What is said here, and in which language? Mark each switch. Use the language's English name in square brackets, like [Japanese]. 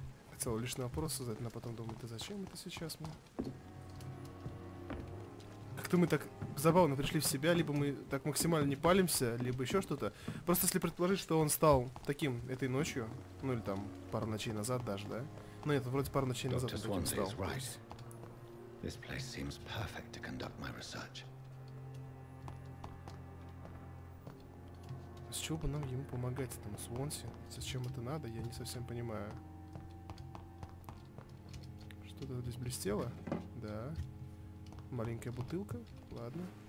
[Russian] Хотел лишний вопрос задать, но потом думаю, да зачем это сейчас мы? Как-то мы так забавно пришли в себя, либо мы так максимально не палимся, либо еще что-то. Просто если предположить, что он стал таким этой ночью, ну или там пару ночей назад даже, да? Ну нет, вроде пару ночей назад он таким стал. [English] This place seems perfect to conduct my research. [Russian] С чего бы нам ему помогать, этому Свонси? Зачем это надо, я не совсем понимаю. Что-то здесь блестело? Да. Маленькая бутылка? Ладно.